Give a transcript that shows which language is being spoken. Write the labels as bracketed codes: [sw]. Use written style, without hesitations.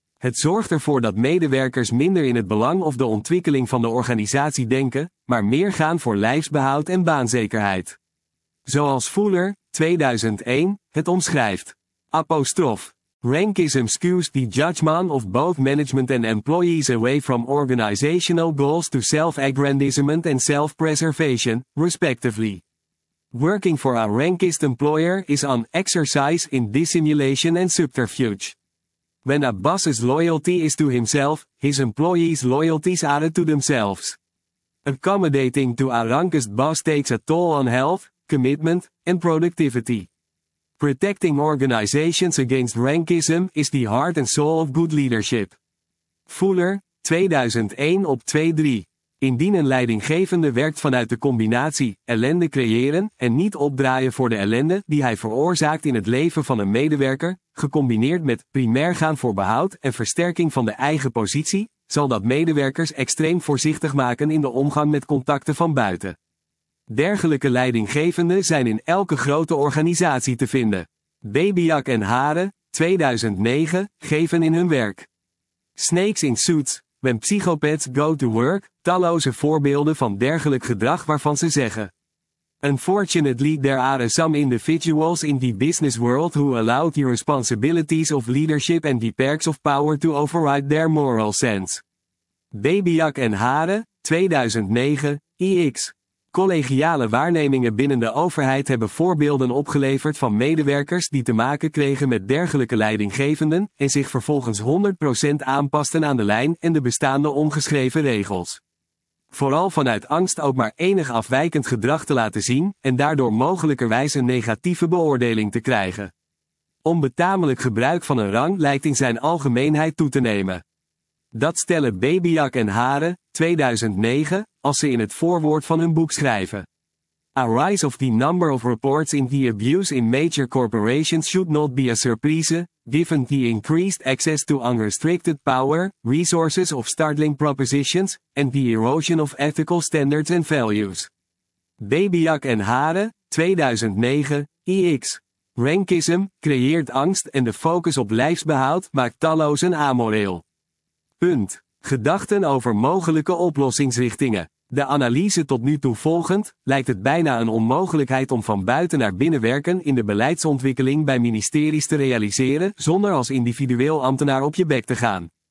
[nl] Het zorgt ervoor dat medewerkers minder in het belang of de ontwikkeling van de organisatie denken, maar meer gaan voor lijfsbehoud en baanzekerheid. Zoals Fuller, 2001, het omschrijft. Apostrof. [en] Rankism skews the judgment of both management and employees away from organizational goals to self-aggrandizement and self-preservation, respectively. Working for a rankist employer is an exercise in dissimulation and subterfuge. When a boss's loyalty is to himself, his employees' loyalties are to themselves. Accommodating to a rankist boss takes a toll on health, commitment, and productivity. Protecting organizations against rankism is the heart and soul of good leadership. [nl] Fuller, 2001 op 2-3. Indien een leidinggevende werkt vanuit de combinatie ellende creëren en niet opdraaien voor de ellende die hij veroorzaakt in het leven van een medewerker, gecombineerd met primair gaan voor behoud en versterking van de eigen positie, zal dat medewerkers extreem voorzichtig maken in de omgang met contacten van buiten. Dergelijke leidinggevenden zijn in elke grote organisatie te vinden. Babiak en Hare, 2009, geven in hun werk. Snakes in suits, when psychopaths go to work, talloze voorbeelden van dergelijk gedrag waarvan ze zeggen. [en] Unfortunately, there are some individuals in the business world who allow the responsibilities of leadership and the perks of power to override their moral sense. [nl] Babiak en Hare, 2009, IX. Collegiale waarnemingen binnen de overheid hebben voorbeelden opgeleverd van medewerkers die te maken kregen met dergelijke leidinggevenden en zich vervolgens 100% aanpasten aan de lijn en de bestaande ongeschreven regels. Vooral vanuit angst ook maar enig afwijkend gedrag te laten zien en daardoor mogelijkerwijs een negatieve beoordeling te krijgen. Onbetamelijk gebruik van een rang lijkt in zijn algemeenheid toe te nemen. Dat stellen Babiak en Hare, 2009, als ze in het voorwoord van hun boek schrijven. [en] A rise of the number of reports in the abuse in major corporations should not be a surprise, given the increased access to unrestricted power, resources of startling propositions, and the erosion of ethical standards and values. [nl] Babiak en Hare, 2009, IX. Rankism creëert angst en de focus op lijfsbehoud maakt talloos een amoreel. Punt. Gedachten over mogelijke oplossingsrichtingen. De analyse tot nu toe volgend, lijkt het bijna een onmogelijkheid om van buiten naar binnen werken in de beleidsontwikkeling bij ministeries te realiseren zonder als individueel ambtenaar op je bek te gaan.